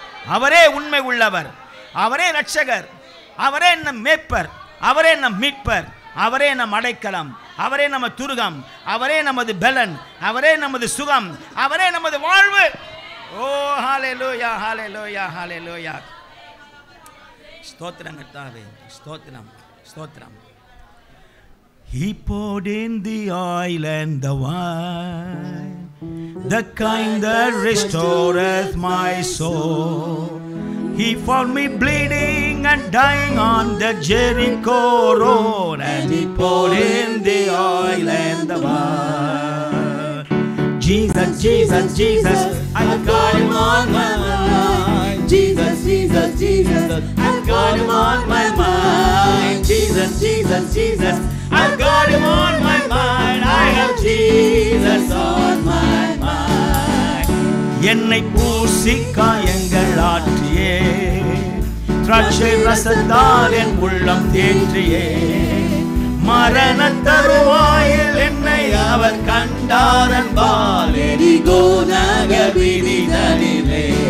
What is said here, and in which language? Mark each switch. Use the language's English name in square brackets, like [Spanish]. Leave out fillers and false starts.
[Tamil] அவரே இரட்சகர், அவரே நம் மேய்ப்பர், அவரே நம் மீட்பர், அவரே நம் அடைக்கலம், அவரே நம்ம துருகம், அவரே நமது பலன், அவரே நமது சுகம், அவரே நமது வாழ்வு. ஓ ஹல்லேலூயா ஹல்லேலூயா ஹல்லேலூயா. ஸ்தோத்திரம் கர்த்தாவே, ஸ்தோத்திரம், ஸ்தோத்திரம். [English] He poured in the oil and the wine, the kind that restoreth my soul. He found me bleeding and dying on the Jericho road, and he poured in the oil and the wine. Jesus, Jesus, Jesus, I've got him on my mind. Jesus, Jesus, Jesus, I've got him on my mind. Jesus, Jesus, Jesus, I've got him on my mind. I have Jesus on my mind. [Tamil] என்னை பூசி காயங்கள் ஆற்றியே, திராட்சை ரசத்தால் என் உள்ளம் தேற்றியே, மரண தருவாயில் என்னை அவர் கண்டார் அன்பால், எரிகோ நகவிதிதனிலே.